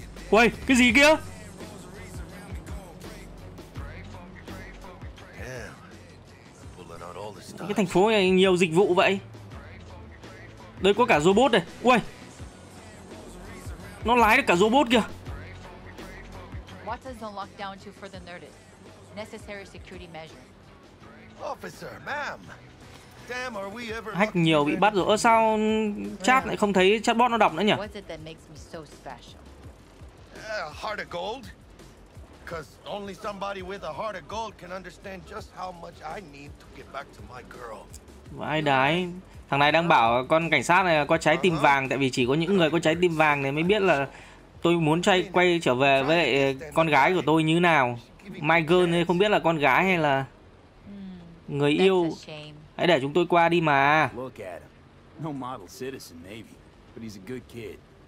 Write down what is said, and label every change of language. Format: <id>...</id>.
<vi>Uầy, cái gì kia? Cái thành phố này nhiều dịch vụ vậy. Đây có cả robot này. Uầy, nó lái được cả robot kìa.</vi> <en>What does the lockdown do for the nerdist? Necessary security measure. Officer, ma'am. Damn, are we ever...</en> <vi>Hack nhiều bị bắt rồi. Ơ sao chat lại không thấy chatbot nó đọc nữa nhỉ?</vi> <en>What's it that makes me so special? A heart of gold. Cuz only somebody with a heart of gold can understand just how much I need to get back to my girl.</en> <vi>Vãi đái. Thằng này đang bảo con cảnh sát này có trái tim vàng, tại vì chỉ có những người có trái tim vàng này mới biết là tôi muốn quay trở về với con gái của tôi như nào.</vi> <en>My girl</en> <vi>ấy, không biết là con gái hay là người yêu. Hãy để chúng tôi qua đi mà.</vi> <en>No model citizen maybe, but he's a good kid.</en>